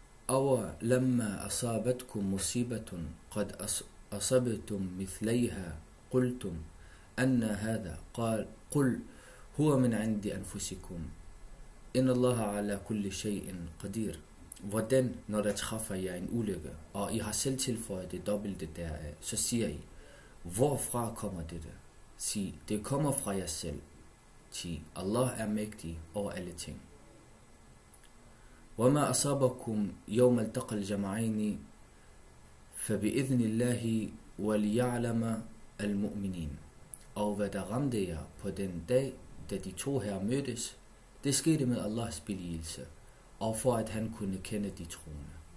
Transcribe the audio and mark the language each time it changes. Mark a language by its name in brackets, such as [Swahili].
[Arabic] أولما أصابتكم مصيبة قد أصبتم مثليها قلتم أن هذا قال قل هو من عند أنفسكم إن الله على كل شيء قدير. [Danish] Hvordan når der træffer jer en ulykke, og I har selv tilføjet det dobbelte deraf, så siger I, hvorfra kommer det der? Sig, det kommer fra jer selv. Sig, Allah er mægtig over alle ting. [Arabic] وما أصابكم يوم التقى الجمعين فبإذن الله وليعلم المؤمنين. [Danish] أو hvad der ramte jer på den dag, da de to her mødtes, det skete med Allahs beligelse, og for at han kunne kende de troende.